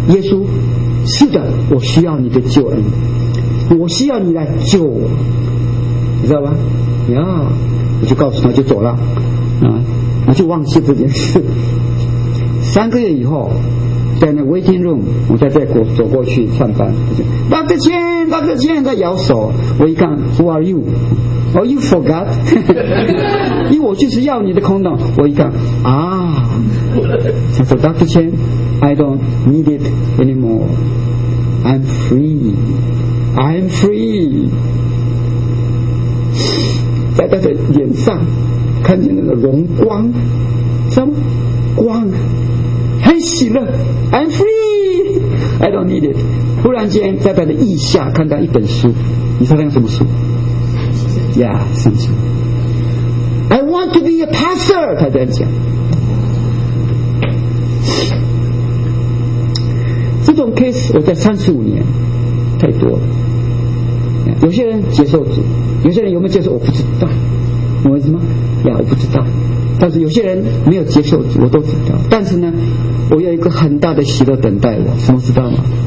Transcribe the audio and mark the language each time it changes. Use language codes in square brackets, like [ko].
[zh] 耶稣，是的，我需要你的救恩，我需要你来救我，你知道吧？呀，我就告诉他就走了啊，我就忘记这件事。 3个月以后，在那 waiting room， 我在这走过去上班。 [en] Dr. Chen， Dr. [zh] Chen 在摇手，我一看 ， Who are you？ Oh， you forgot？因为我就是要你的空档。我一看，啊，他说 Dr. [en] Chen， I don't need it anymore。 I'm free， I'm free。 [zh] 在他的脸上看见那个荣光，什么光？很喜乐 ， I'm free, I don't need it。忽然间，在他的腋下看到一本书，你猜那什么书 ？Yeah， 圣经。 [en] I want to be a pastor，他这样讲。 [zh] 这种 case 我在35年，太多了。有些人接受主，有些人有没有接受我不知道，你为什么？ Yeah， 我不知道。但是有些人没有接受主，我都知道。但是呢，我有一个很大的喜乐等待我，什么知道吗？